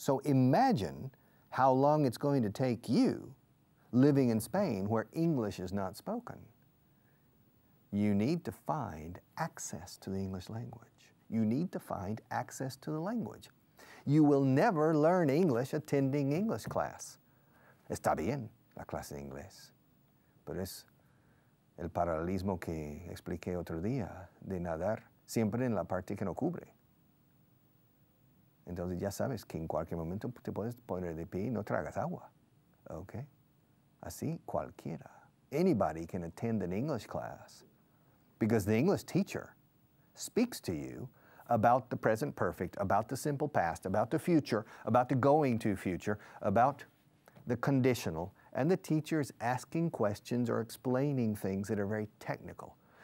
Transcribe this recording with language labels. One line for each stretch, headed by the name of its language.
English: So imagine how long it's going to take you living in Spain where English is not spoken. You need to find access to the English language. You need to find access to the language. You will never learn English attending English class.
Spanish: Está bien, la clase de inglés. Pero es el paralelismo que expliqué otro día de nadar siempre en la parte que no cubre. Entonces ya sabes que en cualquier momento te puedes poner de pie y no tragas agua. Okay? Así cualquiera.
English: Anybody can attend an English class because the English teacher speaks to you about the present perfect, about the simple past, about the future, about the going to future, about the conditional, and the teacher is asking questions or explaining things that are very technical.